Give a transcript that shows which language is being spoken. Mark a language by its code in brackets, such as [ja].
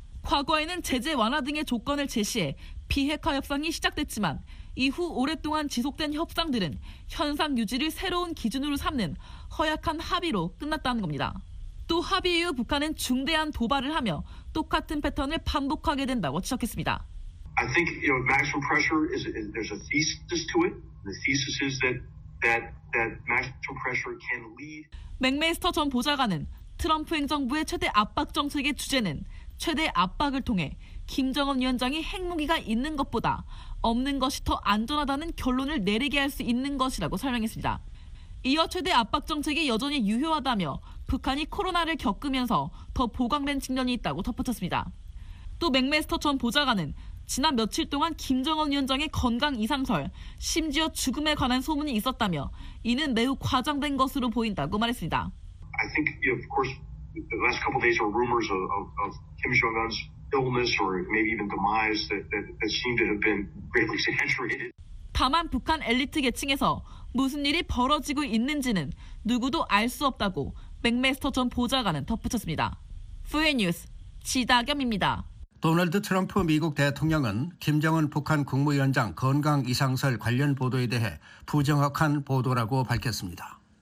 [ko] 과거에는 제재 완화 등의 조건을 제시해 비핵화 협상이 시작됐지만 이후 오랫동안 지속된 협상들은 현상 유지를 새로운 기준으로 삼는 허약한 합의로 끝났다는 겁니다. 또 합의 이후 북한은 중대한 도발을 하며 똑같은 패턴을 반복하게 된다고 지적했습니다. [en] I think you know maximum pressure is there's a thesis to it. The thesis is that maximum pressure can lead. [ko] 맥메이스터 전 보좌관은 트럼프 행정부의 최대 압박 정책의 주제는 최대 압박을 통해 김정은 위원장이 핵무기가 있는 것보다 없는 것이 더 안전하다는 결론을 내리게 할 수 있는 것이라고 설명했습니다. 이어 최대 압박 정책이 여전히 유효하다며 북한이 코로나를 겪으면서 더 보강된 측면이 있다고 덧붙였습니다. 또 맥메스터 전 보좌관은 지난 며칠 동안 김정은 위원장의 건강 이상설, 심지어 죽음에 관한 소문이 있었다며 이는 매우 과장된 것으로 보인다고 말했습니다. [en] I think, of course, the last couple of days are rumors of Kim Jong-un's illness or maybe even demise that seem to have been greatly exaggerated. [ko] 다만 북한 엘리트 계층에서 무슨 일이 벌어지고 있는지는 누구도 알 수 없다고 맥메스터 전 보좌관은 덧붙였습니다. 후에 뉴스 지다겸입니다. 도널드 트럼프 미국 대통령은 김정은 북한 국무위원장 건강 이상설 관련 보도에 대해 부정확한 보도라고 밝혔습니다.